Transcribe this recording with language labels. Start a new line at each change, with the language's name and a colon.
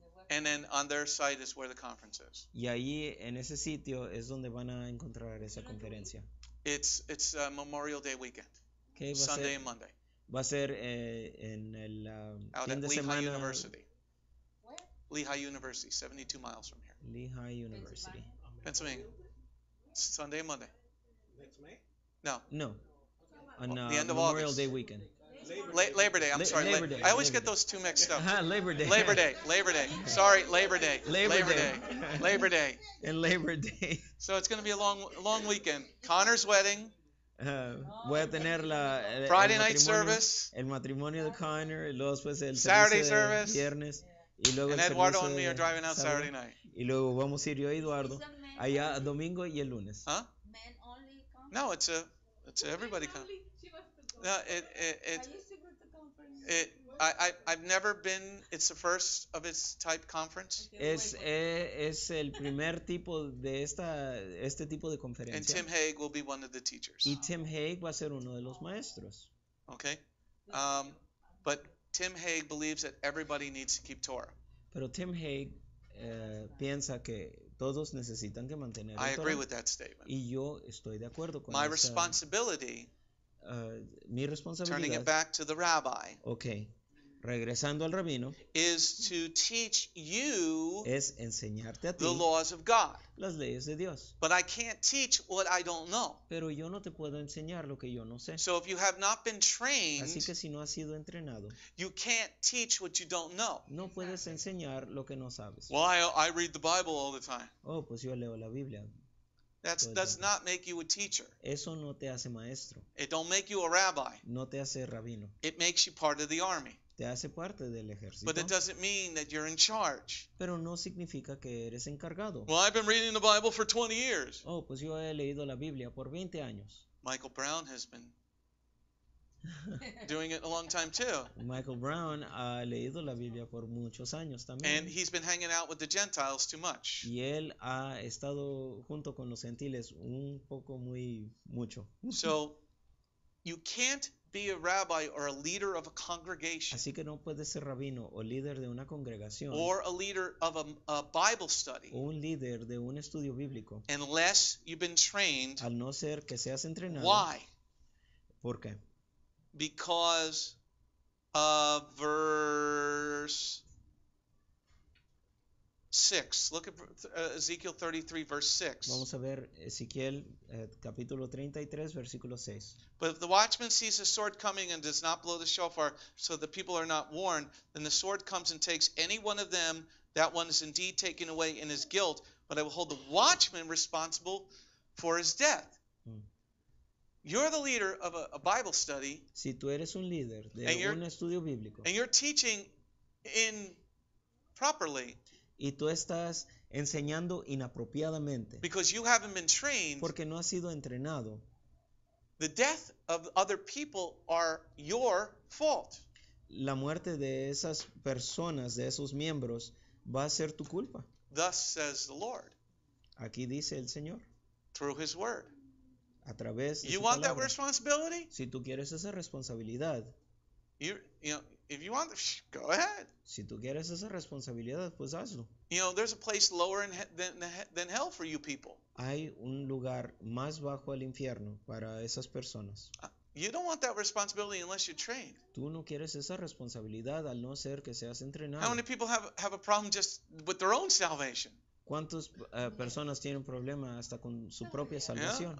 English: And then on their site is where the conference is.
Spanish: Y ahí en ese sitio es donde van a encontrar esa conferencia.
English: It's a Memorial Day weekend. Okay, Sunday and Monday.
Spanish: Va a ser en el fin de semana.
English: Out at Lehigh University. What? Lehigh University, 72 miles from here. Lehigh University. Pennsylvania. Sunday and Monday. Next May? No. No. On the end of August. Memorial Day weekend. Labor Day. I'm sorry. I always get those two mixed up. Labor Day. Sorry, Labor Day. Labor Day. Labor Day. And Labor Day. So it's going to be a long weekend. Connor's wedding.
Spanish: Voy a tener la
English: Friday night service.
Spanish: El matrimonio de Connor. Y luego después el
English: Saturday service.
Spanish: Viernes. Y luego
English: and Eduardo and me are driving out Saturday night.
Spanish: Y luego vamos a ir yo y Eduardo allá domingo y el lunes.
English: Huh? Men only come. No, it's a everybody come. No, it, it, it, I used to go to conference. I've never been. It's the first of its type conference.
Spanish: Es el primer tipo de esta este tipo de conferencia.
English: And Tim Haig will be one of the teachers.
Spanish: Y Tim Haig va a ser uno de los maestros.
English: Okay, but Tim Haig believes that everybody needs to keep Torah.
Spanish: Pero Tim Haig piensa que todos necesitan que mantener
English: el Torah. I agree with that statement.
Spanish: Y yo estoy de acuerdo con
English: My esa. Responsibility.
Spanish: Mi responsabilidad,
English: turning it back to the rabbi,
Spanish: okay, regresando al rabino,
English: is to teach you
Spanish: es enseñarte a ti
English: the laws of God,
Spanish: las leyes de Dios.
English: But I can't teach what I don't know.
Spanish: Pero yo no te puedo enseñar lo que yo no sé.
English: So if you have not been trained,
Spanish: así que si no has sido entrenado,
English: you can't teach what you don't know.
Spanish: No puedes enseñar lo que no sabes.
English: Well, I read the Bible all the time.
Spanish: Oh, pues yo leo la Biblia.
English: That does not make you a teacher.
Spanish: Eso no te hace maestro.
English: It don't make you a rabbi.
Spanish: No te hace rabino.
English: It makes you part of the army.
Spanish: Te hace parte del ejército.
English: But it doesn't mean that you're in charge.
Spanish: Pero no significa que eres encargado.
English: Well, I've been reading the Bible for 20 years.
Spanish: Oh, pues yo he leído la Biblia por 20 años.
English: Michael Brown has been doing it a long time too.
Spanish: Michael Brown ha leído la Biblia por muchos años también.
English: And he's been hanging out with the Gentiles too much.
Spanish: Y él ha estado junto con los gentiles un poco muy mucho.
English: So you can't be a rabbi or a leader of a congregation.
Spanish: Así que no puedes ser rabino o líder de una congregación.
English: Or a leader of a Bible study.
Spanish: O un líder de un estudio bíblico.
English: Unless you've been trained.
Spanish: Al no ser que seas entrenado.
English: Why?
Spanish: ¿Por qué?
English: Because of verse 6. Look at Ezekiel 33, verse 6.
Spanish: Vamos a ver Ezequiel capítulo 33, versículo 6.
English: But if the watchman sees a sword coming and does not blow the shofar, so the people are not warned, then the sword comes and takes any one of them. That one is indeed taken away in his guilt, but I will hold the watchman responsible for his death. You're the leader of a Bible study.
Spanish: Si tú eres un líder de un estudio bíblico.
English: And you're teaching improperly.
Spanish: Y tú estás enseñando inapropiadamente.
English: Because you haven't been trained.
Spanish: Porque no has sido entrenado.
English: The death of other people are your fault.
Spanish: La muerte de esas personas, de esos miembros, va a ser tu culpa.
English: Thus says the Lord.
Spanish: Aquí dice el Señor.
English: Through his word.
Spanish: A través
English: you want
Spanish: palabra.
English: That responsibility?
Spanish: Si tú quieres esa responsabilidad,
English: if you want, go ahead.
Spanish: Si tú quieres esa responsabilidad, pues hazlo.
English: You know, there's a place lower than hell for you people.
Spanish: Hay un lugar más bajo al infierno para esas personas.
English: You don't want that responsibility unless you're trained.
Spanish: Tú no quieres esa responsabilidad al no ser que seas entrenado.
English: How many people have a problem just with their own salvation?
Spanish: ¿Cuántas personas tienen problemas hasta con su propia salvación?